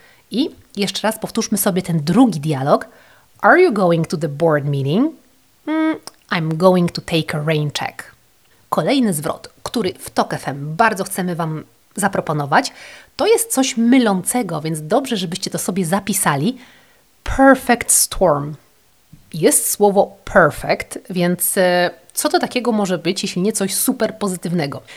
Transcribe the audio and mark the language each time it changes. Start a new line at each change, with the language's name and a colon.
Polish: I jeszcze raz powtórzmy sobie ten drugi dialog.
English: Are you going to the board meeting? I'm going to take a rain check.
Polish: Kolejny zwrot, który w Talk FM bardzo chcemy Wam zaproponować, to jest coś mylącego, więc dobrze, żebyście to sobie zapisali. Perfect storm. Jest słowo perfect, więc co to takiego może być, jeśli nie coś super pozytywnego?